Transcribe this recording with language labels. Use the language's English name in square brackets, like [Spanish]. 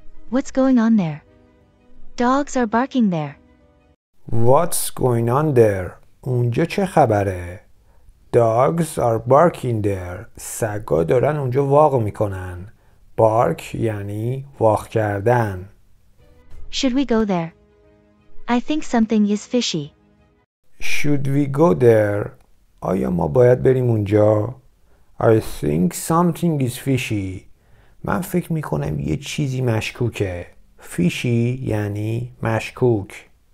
[English] What's going on there? Dogs are barking there. What's going on there? [Persian] اونجا چه خبره؟ [English] Dogs are barking there. [Persian] سگا دارن اونجا واق میکنن. Bark یعنی واق کردن. [English] Should we go there? I think something is fishy. Should we go there? [Persian] آیا ما باید بریم اونجا؟ [English] I think something is fishy. [Persian] من فکر میکنم یه چیزی مشکوکه. Fishy یعنی مشکوک.